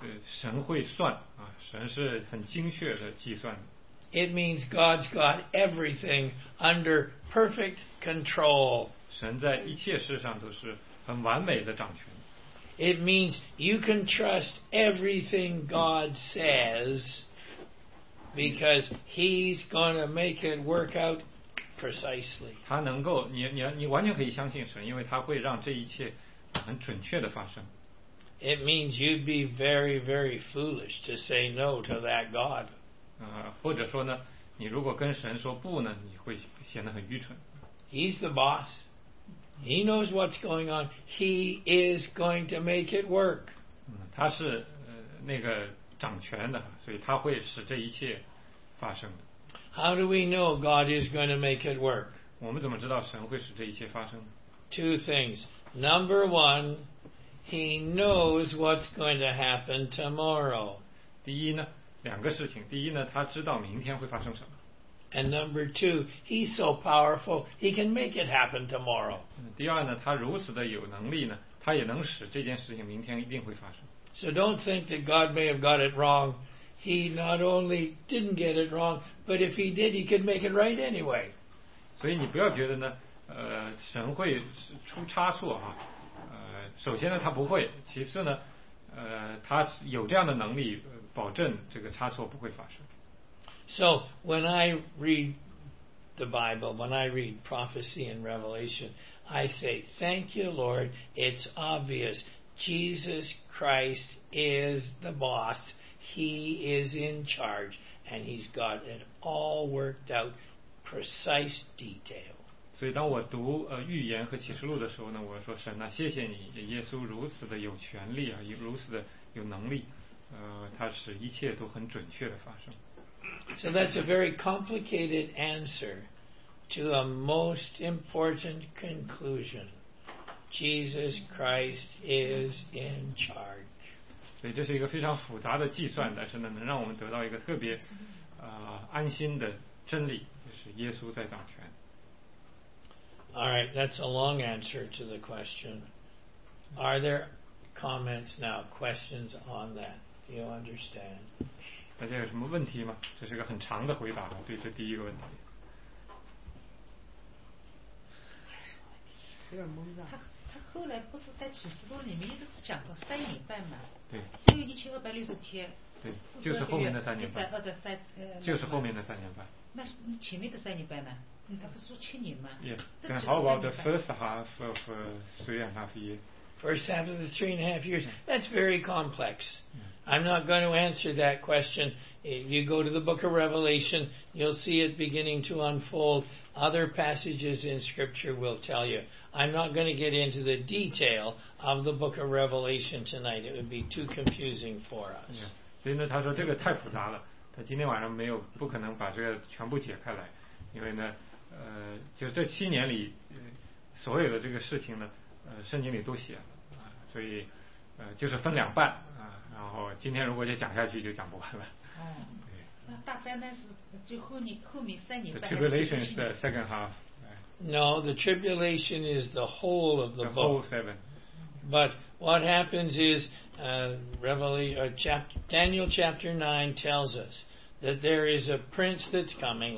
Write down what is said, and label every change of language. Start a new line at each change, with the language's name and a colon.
Chinese: 神会算啊，神是很精确的计算。
English: It means God's got everything under perfect control.
Chinese: 神在一切事上都是很完美的掌权。
English: It means you can trust everything God says because he's going to make it work out precisely.
Chinese: 他能够你完全可以相信神，因为他会让这一切很准确的发生。
English: It means you'd be very, very foolish to say no to that God.
Chinese: 或者说呢，你如果跟神说不呢，你会显得很愚蠢。
English: He's the boss. He knows what's going on. He is going to make it work.
Chinese: 他是那个掌权的，所以他会使这一切发生的。
English: How do we know God is going to make it work?
Chinese: 我们怎么知道神会使这一切发生呢？
English: Two things. Number one, he knows what's going to happen tomorrow.
Chinese: 第一呢，两个事情。第一呢，他知道明天会发生什么。
English: And number two, he's so powerful, he can make it happen tomorrow.
Chinese: 第二呢，他如此的有能力呢，他也能使这件事情明天一定会发生。
English: So don't think that God may have got it wrong. He not only didn't get it wrong, but if he did, he could make it right anyway.
Chinese: 所以你不要觉得呢，神会出差错啊。首先呢，他不会；其次呢，他有这样的能力，保证这个差错不会发生。
English: So when I read the Bible, when I read prophecy and revelation, I say, "Thank you, Lord. It's obvious. Jesus Christ is the boss. He is in charge, and he's got it all worked out, precise detail."
Chinese: 所以当我读预言和启示录的时候呢，我说神啊，谢谢你，耶稣如此的有权力啊，如此的有能力，他使一切都很准确的发生。
English: So that's a very complicated answer to a most important conclusion. Jesus Christ is in charge.
Chinese: 所以这是一个非常复杂的计算，但是呢，能让我们得到一个特别安心的真理，就是耶稣在掌权。
English: All right, that's a long answer to the question. Are there comments now, questions on that? Do you understand?
Chinese: 大家有什么问题吗？这是个很长的回答，对这第一个问题。有点懵的。他后来不是在启示录里面一直讲到三年半吗？对。只有1260天。对，就是后面的三年半。就是后面的三年半。那是前面的三年半呢？他不是说七年吗
English: ？Yeah. And how about the first half of three and a half year? First half of the three and a half years. That's very complex. I'm not going to answer that question. If you go to the book of Revelation, you'll see it beginning to unfold. Other passages in Scripture will tell you. I'm not going to get into the detail of the book of Revelation tonight. It would be too confusing for us. Yeah.
Chinese: 所以呢，他说这个太复杂了。他今天晚上没有不可能把这个全部解开来，因为呢，就这七年里，所有的这个事情呢，圣经里都写了，所以，就是分两半啊。然后今天如果再讲下去就讲不完了。那大灾难是就后面三年半。
English: The tribulation is the second half. No, the tribulation is the whole of the book. The whole seven. But what happens is, Daniel chapter 9 tells us that there is a prince that's coming.